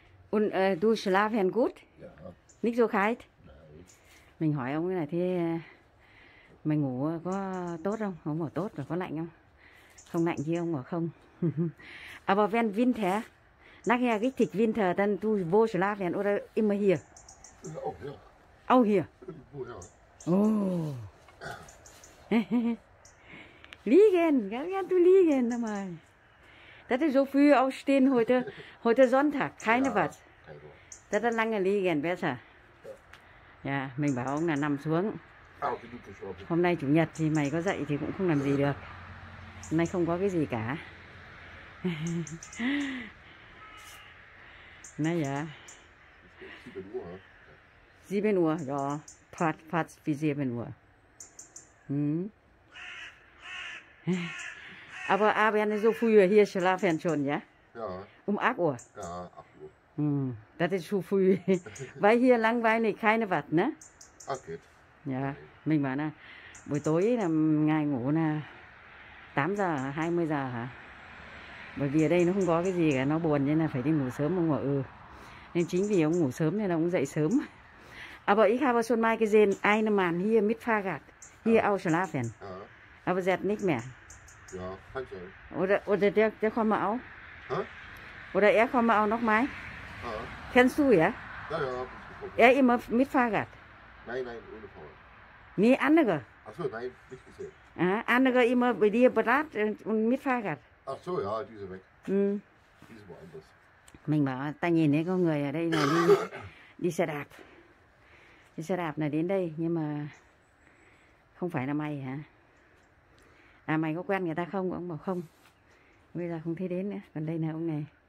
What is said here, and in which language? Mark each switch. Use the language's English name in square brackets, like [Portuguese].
[German] Und du schlafen gut? Ja. Nicht so kalt? [Vietnamese] Mình hỏi ông là thế mày ngủ có tốt không? Ông bảo tốt, có lạnh không? Không lạnh chứ ông bảo không. [German] Aber wenn Winter? Nach her richtig Winter, dann du wo schlafen oder immer hier? Auch hier. Oh. Liegen, kannst du liegen nochmal. Das ist so früh aufstehen heute. Heute Sonntag, keine was. Das ist lange liegen, besser. [Vietnamese] Ja, mình bảo ông là nằm xuống. Hôm nay chủ nhật thì mày có dậy thì cũng không làm gì được. Hôm nay không có cái gì cả. Nay à. 7 giờ rồi, phát vì 7 giờ. [German] Aber abends so früh hier schlafen schon, ja? Ja. Um 8 Uhr. Ja, 8 Uhr. Das ist zu früh. Weil hier langweilig, keine was, ne? Ach, geht. [Vietnamese] Ja, mình bảo là buổi tối là ngày ngủ là 8 giờ, 20 giờ hả? Bởi vì ở đây nó không có cái gì cả, nó buồn nên là phải đi ngủ sớm. Ông bảo ừ. Nên chính vì ông ngủ sớm nên là ông dậy sớm. [German] Aber ich habe schon mal gesehen, eine Mann hier mit Fahrrad, hier auch schlafen. Ja. Aber sie hat nicht mehr. Ja, kann schon. Oder der kommt mal auch? Hä? Oder er kommt auch noch mal? Ja. Kennst du, ja? Ja, ja. Er immer mit Fahrrad? Nein, nein, ohne Fahrrad. Nee, andere? Ach so, nein, nicht gesehen. Aha, andere immer bei dir berat und mit Fahrrad. Ach so, ja, diese weg. Diese woanders. [Vietnamese] Mình bảo, ta nhìn thấy có người ở đây là đi xe đạp. Cái xe đạp này đến đây nhưng mà không phải là mày hả? À mày có quen người ta không? Ông bảo không. Bây giờ không thấy đến nữa. Còn đây là ông này.